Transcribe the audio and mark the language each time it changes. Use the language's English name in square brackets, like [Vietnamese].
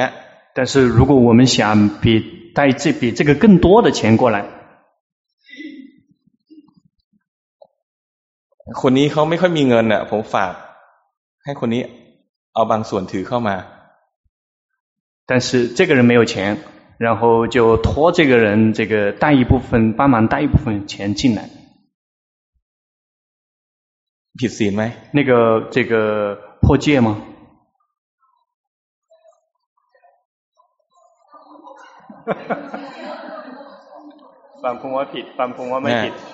[Chinese] 但是如果我们想比带这比这个更多的钱过来 [Thai] คนนี้เขาไม่ค่อยมีเงินอ่ะผมฝากให้คนนี้เอาบางส่วนถือเข้ามา [Chinese] 但是这个人没有钱然后就托这个人这个带一部分帮忙带一部分钱进来 [Thai] ผิดศีลไ หม [Chinese] 那个这个破戒吗 [Thai] บางคนว่าผิดบางคนว่าไม่ผิด